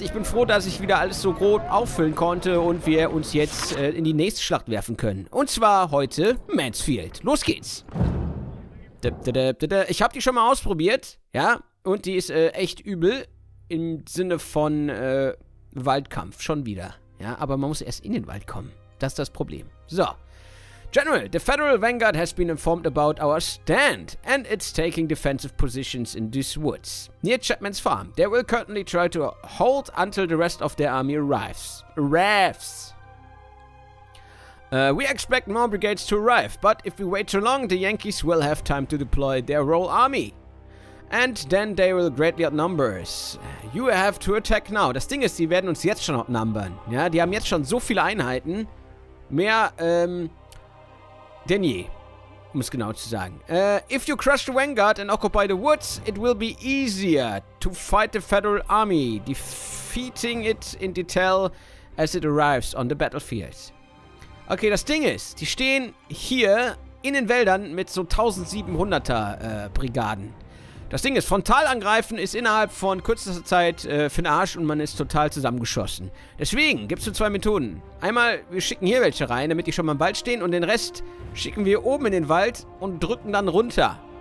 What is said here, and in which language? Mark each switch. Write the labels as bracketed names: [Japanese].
[German] Ich bin froh, dass ich wieder alles so grob auffüllen konnte und wir uns jetzt in die nächste Schlacht werfen können. Und zwar heute Mansfield. Los geht's. Ich habe die schon mal ausprobiert, ja? Und die ist echt übel im Sinne von Waldkampf. Schon wieder, ja? Aber man muss erst in den Wald kommen. Das ist das Problem. So. [English] General, the Federal Vanguard has been informed about our stand, and it's taking defensive positions in these woods, near Chapman's Farm. They will currently try to hold until the rest of their army arrives. We expect more brigades to arrive, but if we wait too long, the Yankees will have time to deploy their Royal Army. And then they will greatly outnumber us. You have to attack now. [German] Das Ding ist, die werden uns jetzt schon outnumbern. Ja, die haben jetzt schon so viele Einheiten. Mehr, denn je, um es genau zu sagen. [English] If you crush the Vanguard and occupy the woods, it will be easier to fight the Federal Army, defeating it in detail as it arrives on the battlefield. [German] Okay, das Ding ist, die stehen hier in den Wäldern mit so 1700er Brigaden. Das Ding ist, Frontalangreifen ist innerhalb von kürzester Zeit für den Arsch und man ist total zusammengeschossen. Deswegen gibt es nur zwei Methoden. Einmal, wir schicken hier welche rein, damit die schon mal im Wald stehen, und den Rest schicken wir oben in den Wald und drücken dann runter.